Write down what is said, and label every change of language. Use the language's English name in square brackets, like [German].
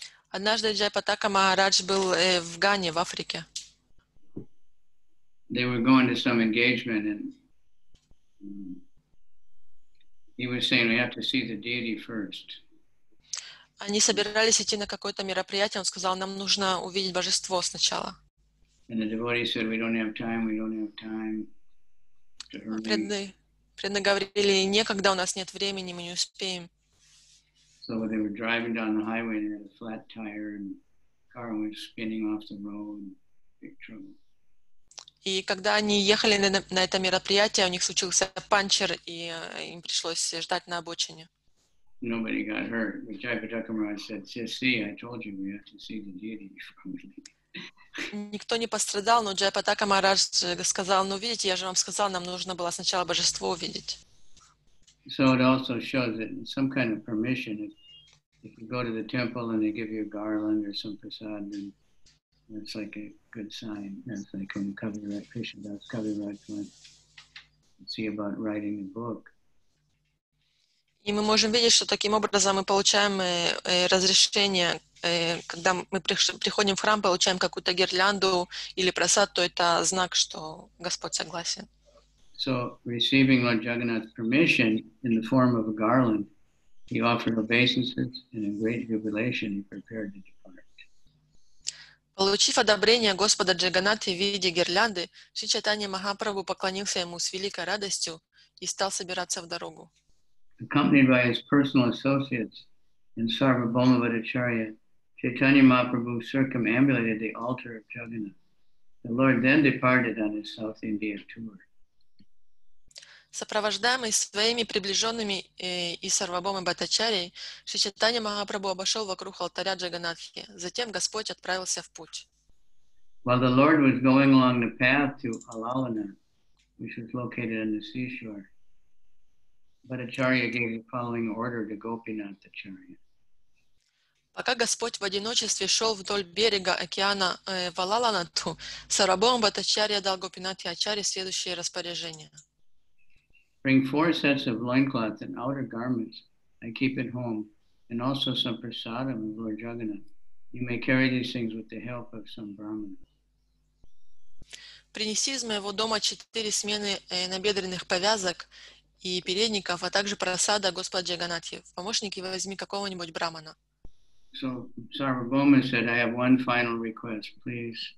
[Russian] Однажды Джай Патака Махарадж был в Гане, в Африке. [English] They were going to some engagement and he was saying, we have to see the deity first. [Russian] Они собирались идти на какое-то мероприятие, он сказал, нам нужно увидеть божество сначала. [English] And the devotee said, we don't have time, we don't have time. [Russian] Преданные говорили, некогда, у нас нет времени, мы не успеем. [English] So they were driving down the highway, they had a flat tire, and the car was spinning off the road, big trouble. [Russian] И когда они ехали на это мероприятие, у них случился панчер, и им пришлось ждать на обочине. [English] Nobody got hurt. But Jai Pitakamaraj said, see, I told you, we have to see the deity before we leave. [Russian] Никто не пострадал, но Джай Патакамарадж сказал, ну, видите, я же вам сказал, нам нужно было сначала божество увидеть. [English] So it also shows that some kind of permission, if you go to the temple and they give you a garland or some prasad, then that's like a good sign. That's like when Kaviraj Krishnadas Kaviraj went to see about writing a book. [Russian] И мы можем видеть, что таким образом мы получаем разрешение, когда мы приходим в храм, получаем какую-то гирлянду или прасад, то это знак, что Господь согласен. [English] So, receiving Lord Jagannath's permission in the form of a garland, he offered obeisances and in great jubilation he prepared to depart. [Russian] Получив одобрение Господа Джаганнатхи в виде гирлянды, Шри Чайтанья Махапрабху поклонился ему с великой радостью и стал собираться в дорогу. [English] Accompanied by his personal associates and Sarvabhauma Bhattacharya, Chaitanya Mahaprabhu circumambulated the altar of Jagannath. The Lord then departed on his South India tour. [Russian] Сопровождаемый своими приближенными и Сарвабхаумой Бхаттачарьей, Шри Чайтанья Махапрабху обошел вокруг алтаря Джаганатхи. Затем Господь отправился в путь. [English] While the Lord was going along the path to Alalana, which was located on the seashore, Bhattacharya gave the following order to Gopinath Acharya. [Russian] Пока Господь в одиночестве шел вдоль берега океана Валаланату, Сарвабхаума Бхаттачарья дал Гопинатхе Ачарье следующее распоряжение. [English] Bring four sets of loincloth and outer garments and keep at home, and also some prasadam of Lord Jagannath. You may carry these things with the help of some brahmana. [Russian] Принеси из моего дома четыре смены набедренных повязок и передников, а также прасада Господа Джаганатхи. Помощник, и возьми какого-нибудь брахмана. [English] So Sarvabhauma said, I have one final request, please.